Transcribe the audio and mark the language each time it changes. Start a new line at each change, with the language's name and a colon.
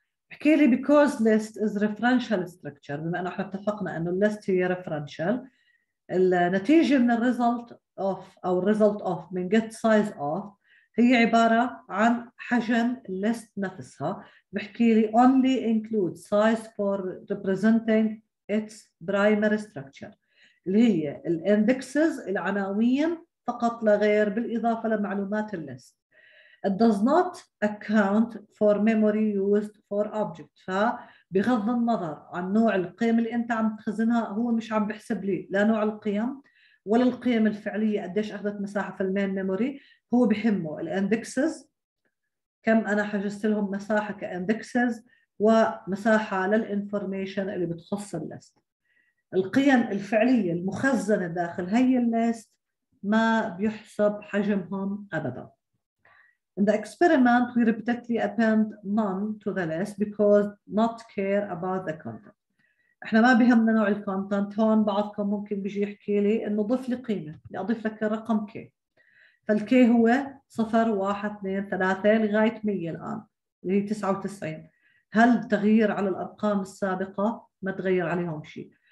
Arabic: حكي لي
English: because list is referential structure،
Arabic: بما أنه اتفقنا أنه list هي referential، النتيجة من
English: result of
Arabic: أو result of من
English: get size of
Arabic: هي عبارة عن حجم list نفسها. بحكي لي
English: only include size for representing its primary structure،
Arabic: اللي هي الindexes العناوين فقط لغير، بالإضافة لمعلومات list.
English: It does not account for memory used for object.
Arabic: فبغض النظر عن نوع القيم اللي أنت عم تخزنها، هو مش عم بحسب لي لا نوع القيم ولا القيم الفعلية قديش أخذت مساحة في المين ميموري. هو بهمه الاندكسز، كم أنا حجزت لهم مساحة كاندكسز ومساحة للإنفورميشن اللي بتخص الليست. القيم الفعلية المخزنة داخل هاي الليست ما بيحسب حجمهم أبداً.
English: In the experiment, we repeatedly append none to the list because not care about the content.
Arabic: إحنا ما بهمنا نوع الكونتنت. هون بعضكم ممكن بيجي يحكي لي إنه ضف لي قيمة، أضيف لك رقم K. فالK هو 0, 1, 2, 3 لغاية 100 الآن، اللي هي 99. هل تغيير على الأرقام السابقة؟ ما تغير عليهم شيء.